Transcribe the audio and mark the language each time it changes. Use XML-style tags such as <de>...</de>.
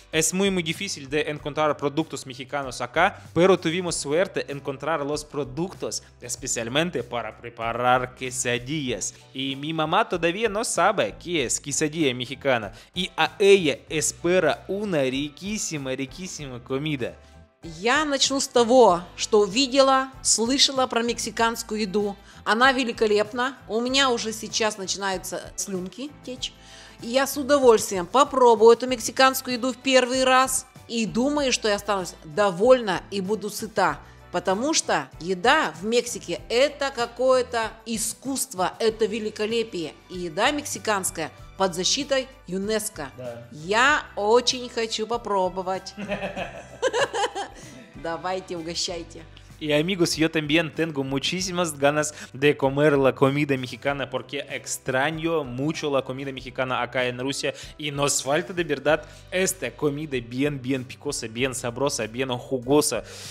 <es>Es muy muy difícil de encontrar productos mexicanos acá, pero tuvimos suerte encontrar los productos especialmente para preparar quesadillas. Y mi mamá todavía no sabe qué es quesadilla mexicana, y a ella espera una riquísima, riquísima comida.</es> <ru>Я начну с того, что видела, слышала про мексиканскую еду. Она великолепна. У меня уже сейчас начинаются слюнки течь. И я с удовольствием попробую эту мексиканскую еду в первый раз. И думаю, что я останусь довольна и буду сыта. Потому что еда в Мексике – это какое-то искусство, это великолепие. И еда мексиканская под защитой ЮНЕСКО. Да. Я очень хочу попробовать. Давайте, угощайте.</ru> <es>И, amigos, yo también tengo muchísimas ganas de comer la comida mexicana porque extraño mucho la comida mexicana acá en Rusia. Y nos falta de verdad esta comida bien, bien picosa, bien sabrosa, bien jugosa.</es>